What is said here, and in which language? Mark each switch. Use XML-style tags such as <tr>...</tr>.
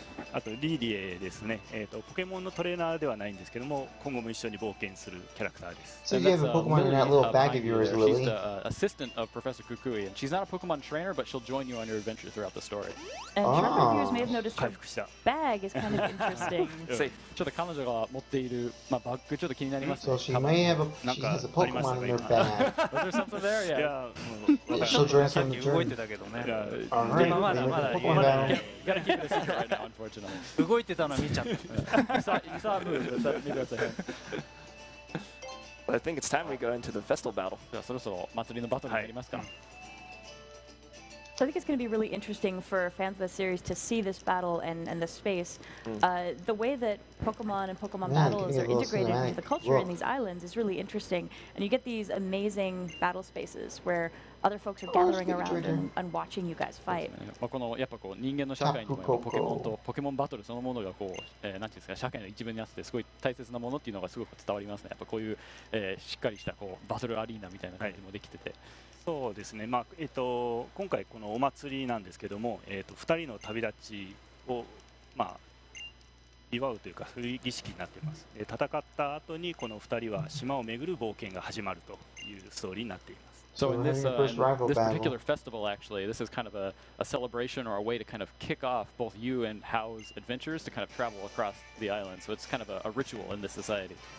<ja>あとリーディエですね。ポケモンのトレーナーではないんですけども、今後も一緒に冒険するキャラクターです。</ja> <en>So you have a Pokemon in that little bag of yours, Lily? She's the assistant of Professor Kukui, and she's not a Pokemon trainer, but she'll join you on your adventure throughout the story. And some viewers may have noticed her bag is kind of interesting.</en> <ja>ちょっと彼女が持っているまあバッグちょっと気になります。</ja> <en>So she may have a she has a Pokemon in her bag. Was there something there? Yeah. She'll join us on the journey.</en> <ja>動いてたけどね。</ja> <en>All right.</en> <ja>まだまだ。</ja> <en>Pokemon bag. Gotta keep this secret right now, unfortunately.</en> <ja>動いてたの見ちゃった。リサーブ、リサーブ見てください。</ja> <en>Well, I think it's time we go into the festival battle.</en> <ja>じゃあそろそろ祭りのバトルに入りますか。</ja> <en>So I think it's going to be really interesting for fans of the series to see this battle and the space. The way that Pokemon and Pokemon battles are integrated into the culture in these islands is really interesting. And you get these amazing battle spaces where other folks are gathering around and watching you guys fight.</en> <ja>まあこのやっぱこう人間の社会にもポケモンとポケモンバトルそのものがこう何て言うんですか社会の一部にあってすごい大切なものっていうのがすごく伝わりますね。やっぱこういうしっかりしたこうバトルアリーナみたいな感じもできてて。そうですね。まあ今回このお祭りなんですけども、二人の旅立ちをまあ祝うというかそういう儀式になっています。戦った後にこの二人は島を巡る冒険が始まるというストーリーになっています。</ja> <en>So in this, this particular festival, actually, this is kind of a celebration or a way to kind of kick off both you and Howl's adventures to kind of travel across the island. So it's kind of a ritual in this society.</en>